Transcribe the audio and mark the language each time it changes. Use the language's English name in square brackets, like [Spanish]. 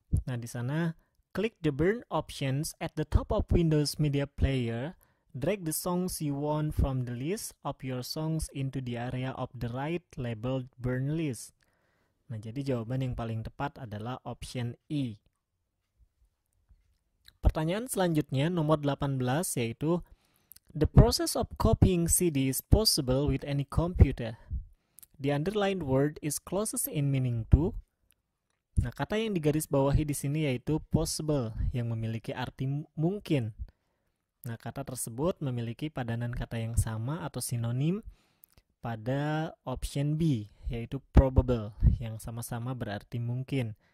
[Indonesian] Nah, di sana, [English] click the burn options at the top of Windows Media Player, drag the songs you want from the list of your songs into the area of the right labeled burn list. [Indonesian] Nah, jadi jawaban yang paling tepat adalah option E. Pertanyaan selanjutnya nomor 18 yaitu, [English] the process of copying CD is possible with any computer. The underlined word is closest in meaning to. [Indonesian] Nah, kata yang digarisbawahi di sini yaitu possible, yang memiliki arti mungkin. Nah, kata tersebut memiliki padanan kata yang sama atau sinonim pada option B, yaitu probable, yang sama-sama berarti mungkin.